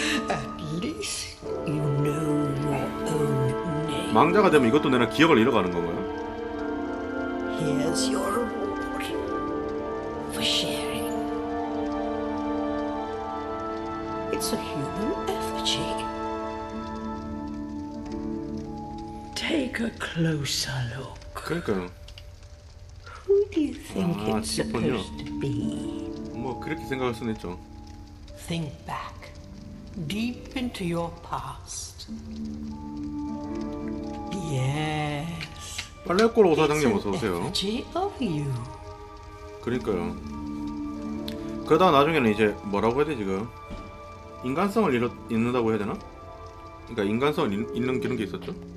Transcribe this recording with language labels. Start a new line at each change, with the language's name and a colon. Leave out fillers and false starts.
English: At least you know your own name.
Korean: 망자가 되면 이것도 내가 기억을 잃어가는 건가요?
English: Here's your reward for sharing. It's a human effigy. Take a closer look.
Korean: 그러니까요.
English: Who do you think it's supposed to be?
Korean: 뭐 그렇게 생각할 수는 있죠.
English: Think back deep into your past. Yes.
Korean: 빨래꼴 오사장님 어서 오세요.
English: Of you.
Korean: 그러니까요. 그러다 나중에는 이제 뭐라고 해야 되지 그 인간성을 잃는다고 해야 되나? 그러니까 인간성을 잃는 그런 게 있었죠.